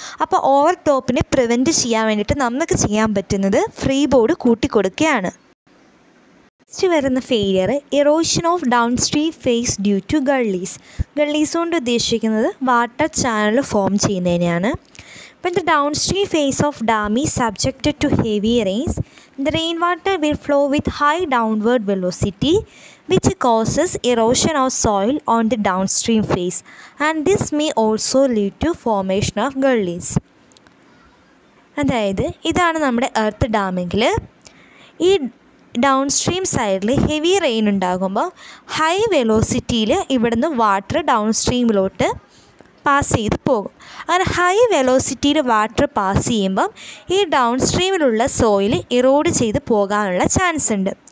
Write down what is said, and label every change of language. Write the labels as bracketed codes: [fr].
[ml] അപ്പോൾ over ടോപ്പിനെ prevent ചെയ്യാൻ വേണ്ടിയിട്ട് നമുക്ക് ചെയ്യാൻ പറ്റുന്നത് ഫ്രീ ബോർഡ് കൂട്ടിക്കൊടുക്കുകയാണ്. നെക്സ്റ്റ് വരുന്ന failure erosion of down stream face due to ഗള്ളീസ്. ഗള്ളീസ് കൊണ്ട് ഉദ്ദേശിക്കുന്നത് water channel form ചെയ്യുന്നതിനെയാണ്. [en] When the downstream face of dam is subjected to heavy rains, the rainwater will flow with high downward velocity, which causes erosion of soil on the downstream face, and this may also lead to formation of gullies. [ml] അതായത് ഇതാണ് നമ്മുടെ earth ഡാമെങ്കിൽ ഈ down stream സൈഡിൽ heavy rain ഉണ്ടാകുമ്പോൾ high വെലോസിറ്റിയിൽ ഇവിടുന്ന് water down സ്ട്രീമിലോട്ട് pass ചെയ്ത് പോകും. അങ്ങനെ ഹൈ വെലോസിറ്റിയിൽ വാട്ടർ പാസ് ചെയ്യുമ്പം ഈ ഡൗൺ സ്ട്രീമിലുള്ള സോയിൽ ഇറോഡ് ചെയ്ത് പോകാനുള്ള ചാൻസ് ഉണ്ട്.